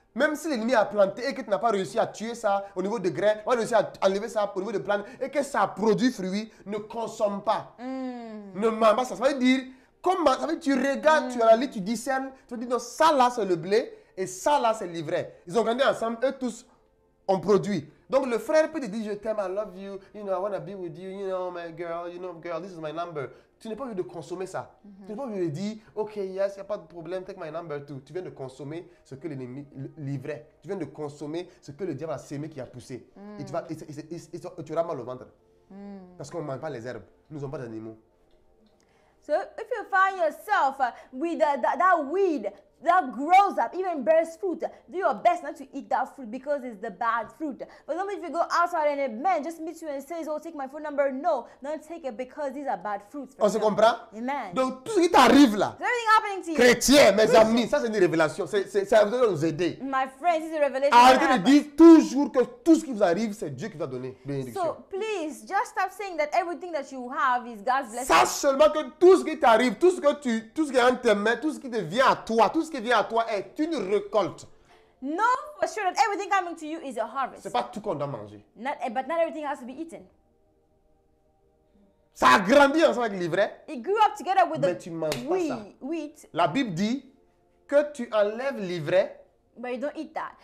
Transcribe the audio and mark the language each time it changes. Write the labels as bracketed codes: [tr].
[fr] Même si l'ennemi a planté et que tu n'as pas réussi à tuer ça au niveau de grains, ou réussi à enlever ça au niveau de plantes et que ça produit fruit, ne consomme pas. Mm. Ne mange pas ça. Ça veut dire, comment, ça veut dire, tu regardes, tu analyses, tu discernes, tu te dis non, ça là c'est le blé et ça là c'est l'ivraie. Ils ont grandi ensemble, eux tous ont produit. Donc le frère peut te dire, je t'aime, [en] I love you, you know, I want to be with you, you know, my girl, you know, girl, this is my number. [fr] Tu n'es pas obligé de consommer ça. Mm-hmm. Tu n'es pas obligé de dire, [en] OK, yes, [fr] il n'y a pas de problème, [en] take my number too. [fr] Tu viens de consommer ce que l'ennemi livrait. Tu viens de consommer ce que le diable a semé qui a poussé. Mm. Et tu auras mal au ventre. Mm. Parce qu'on ne mange pas les herbes. Nous ne sommes pas d'animaux. [en] So if you find yourself with that weed that grows up, even bears fruit, do your best not to eat that fruit because it's the bad fruit. But normally if you go outside and a man just meets you and says, oh, take my phone number, no, don't take it because these are bad fruits. [fr] On se comprend? Amen. Donc tout ce qui t'arrive là, [en] is everything happening to you? [fr] Chrétien, mes amis, ça c'est une révélation. C'est ça va nous aider. [en] My friends, this is a revelation. [fr] Arrêtez de dire toujours que tout ce qui vous arrive, c'est Dieu qui vous a donné. Bénédiction. [en] So please, just stop saying that everything that you have is God's blessing. [fr] Sache seulement que tout ce qui t'arrive, tout ce qui est en tes mains, tout ce qui te vient à toi, tout ce qui vient à toi est une récolte. [en] Know for sure that everything coming to you is a harvest. [fr] C'est pas tout qu'on doit manger. [en] But not everything has to be eaten. [fr] Ça a grandi ensemble avec l'ivraie. [en] It grew up together with [fr] mais [en] the [fr] tu ne manges [en] wheat. [fr] Pas ça. Wheat. La Bible dit que tu enlèves l'ivraie. [en] But you don't eat that.